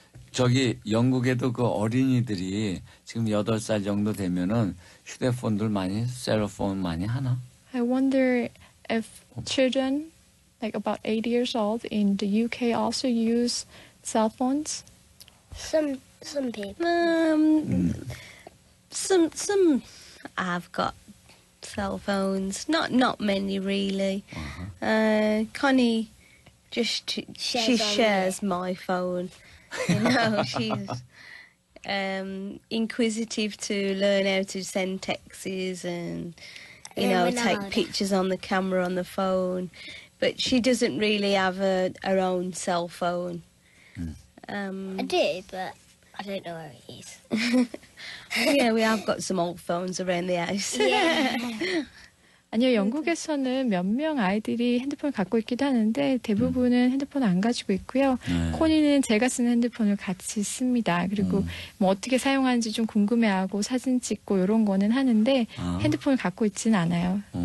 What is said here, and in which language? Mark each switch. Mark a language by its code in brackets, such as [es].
[ko] 저기 영국에도 그 어린이들이 지금 8살 정도 되면은 휴대폰들 많이, 셀폰 많이 하나? [en] I wonder if children like about 80 years old in the UK also use cell phones. Some people. Some I've got cell phones. Not many really. Connie just she shares my phone. You know, she's inquisitive to learn how to send texts and, you know, take pictures on the camera on the phone. But she doesn't really have her own cell phone. I do, but I don't know where it is. Yeah, we have got some old phones around the house. Yeah. [ko] 아니요, 영국에서는 몇 명 아이들이 핸드폰을 갖고 있기도 하는데 대부분은 핸드폰을 안 가지고 있고요. 코니는 제가 쓰는 핸드폰을 같이 씁니다. 그리고 뭐 어떻게 사용하는지 좀 궁금해하고 사진 찍고 이런 거는 하는데 핸드폰을 갖고 있지는 않아요.